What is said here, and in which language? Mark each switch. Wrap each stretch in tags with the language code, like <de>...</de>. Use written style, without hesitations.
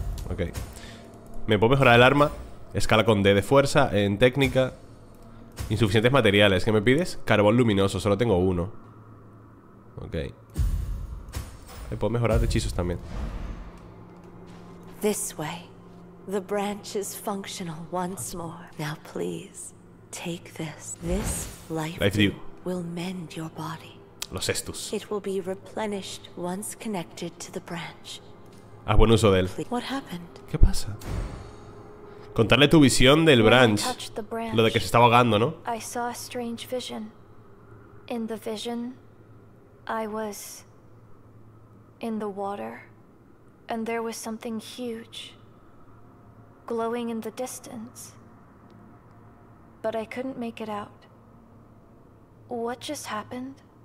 <es>Ok. Me puedo mejorar el arma, escala con D de fuerza, en técnica... Insuficientes materiales, ¿qué me pides? Carbón luminoso, solo tengo 1. Ok. Me puedo mejorar de hechizos también.</es> <en>This way. The branch is functional once more. Now please, take this. This life will mend your body.</en> <es>Los estus.</es> <en>It will be replenished once connected to the branch.</en> <es>Haz buen uso de él.</es> <en>What happened?</en> <es>¿Qué pasa? Contarle tu visión del branch, lo de que se estaba ahogando, ¿no?</es> <en>I saw a strange vision. In the vision, I was in the water, and there was something huge, glowing in the distance. But I couldn't make it out. What just happened?</en>